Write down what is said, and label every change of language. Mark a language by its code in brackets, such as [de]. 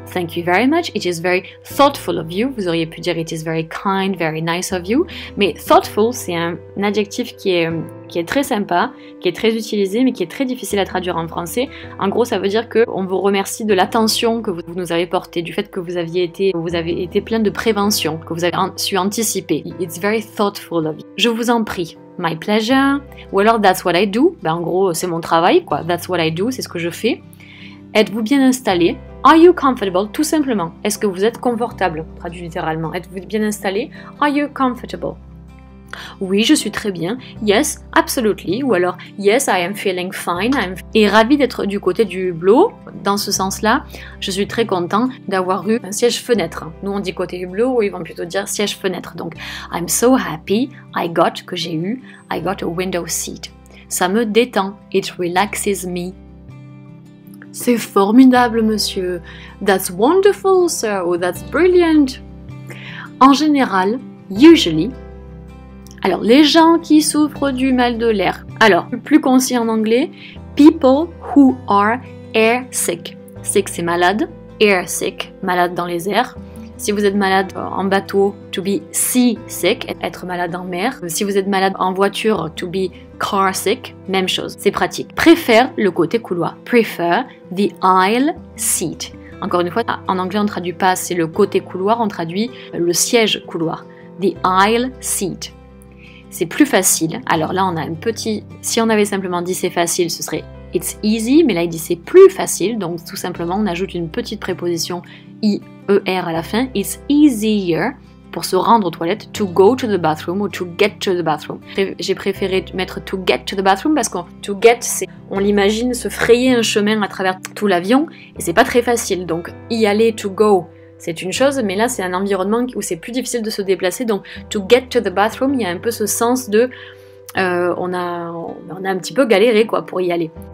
[en] « Thank you very much, it is very thoughtful of you ». [fr] Vous auriez pu dire « [en] it is very kind, very nice of you ». [fr] Mais « thoughtful », c'est un adjectif qui est très sympa, qui est très utilisé, mais qui est très difficile à traduire en français. En gros, ça veut dire qu'on vous remercie de l'attention que vous nous avez portée, du fait que vous avez été plein de prévention, que vous avez su anticiper. [en] It's very thoughtful of you. [fr] Je vous en prie. [en] My pleasure. [fr] Ou alors, [en] that's what I do. [fr] Ben, en gros, c'est mon travail, quoi. [en] That's what I do, [fr] c'est ce que je fais. Êtes-vous bien installé? [en] Are you comfortable? [fr] Tout simplement. Est-ce que vous êtes confortable? Traduit littéralement. Êtes-vous bien installé? Are you comfortable? Oui, je suis très bien. [en] Yes, absolutely. [fr] Ou alors, [en] yes, I am feeling fine. [fr] Et ravi d'être du côté du hublot. Dans ce sens-là, je suis très content d'avoir eu un siège-fenêtre. Nous, on dit côté hublot, ou ils vont plutôt dire siège-fenêtre. [en] Donc, I'm so happy I got a window seat. [fr] Ça me détend. [en] It relaxes me. [fr] C'est formidable, monsieur. [en] That's wonderful, sir. Oh, that's brilliant. [fr] En général, usually... Alors, les gens qui souffrent du mal de l'air. Alors, plus concis en anglais, [en] people who are air sick. [fr] Sick, c'est malade. Air sick, malade dans les airs. Si vous êtes malade en bateau, [en] to be sea sick, [fr] être malade en mer. Si vous êtes malade en voiture, [en] to be car sick, [fr] même chose. C'est pratique. Préfère le côté couloir. [en] Prefer the aisle seat. [fr] Encore une fois, en anglais, on ne traduit pas, c'est le côté couloir, on traduit le siège couloir. [en] The aisle seat. [fr] C'est plus facile. Alors là, on a un petit... Si on avait simplement dit c'est facile, ce serait [en] it's easy. [fr] Mais là, il dit c'est plus facile. Donc tout simplement, on ajoute une petite préposition IER à la fin. [en] It's easier [fr] pour se rendre aux toilettes. [en] To go to the bathroom ou to get to the bathroom. [fr] J'ai préféré mettre [en] to get to the bathroom [fr] parce que to get, c'est... On l'imagine se frayer un chemin à travers tout l'avion. Et c'est pas très facile. Donc y aller, [en] to go... [fr] C'est une chose, mais là, c'est un environnement où c'est plus difficile de se déplacer. Donc, [en] to get to the bathroom, [fr] il y a un peu ce sens de... On a un petit peu galéré, quoi, pour y aller.